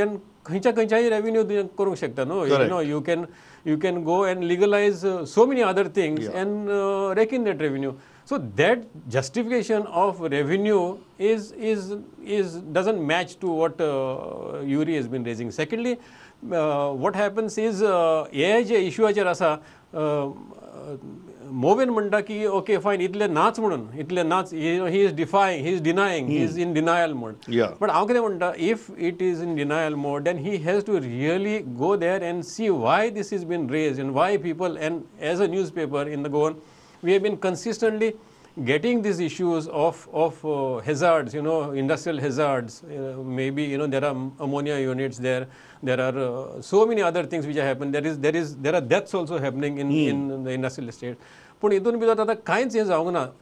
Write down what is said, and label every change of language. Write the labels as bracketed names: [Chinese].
[Konkani] Then khancha khanchai revenue karung shakta, no? [English] Correct. You know, you can go and legalize so many other things, yeah, and rake in that revenue. So that justification of revenue is doesn't match to what URI has been raising. Secondly, what happens is age issue [Konkani] acher asa मोवेन म्हणटा की [English] okay fine [Konkani] इतले नाच म्हणून, इतले नाच, [English] He is defying, he is denying, he is in denial mode. But [Konkani] हांव कितें म्हणटा, [English] If it is in denial mode then he has to really go there and see why this is been raise and why people and as a newspaper in the Goan we have been consistently getting these issues of hazards, you know, industrial hazards. Maybe you know there are ammonia units there, there are so many other things which are happen, there are deaths also happening in in the industrial state. [Konkani] पूण हितून भितर आतां कांयच हें जावंक ना.